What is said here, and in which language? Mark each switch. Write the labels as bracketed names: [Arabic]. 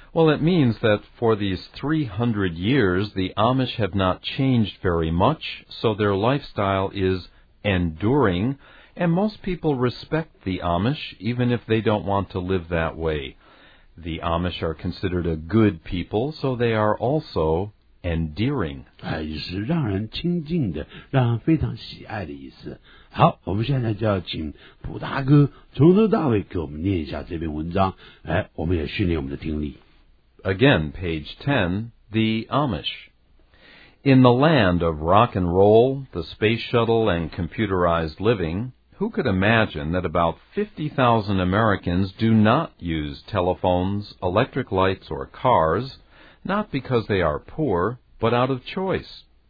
[English] Well, it means that for these 300 years, the Amish have not changed very much, so their lifestyle is enduring. And most people respect the Amish, even if they don't want to live that way. The Amish are considered a good people, so they are also endearing. [Chinese] 是让人亲近的,让人非常喜爱的意思。好,我们现在就要请普大哥从头到尾给我们念一下这篇文章,我们也训练我们的听力。 [English] Again, page 10, The Amish. In the land of rock and roll, the space shuttle, and computerized living, who could imagine that about 50,000 Americans do not use telephones, electric lights, or cars, not because they are poor, but out of choice?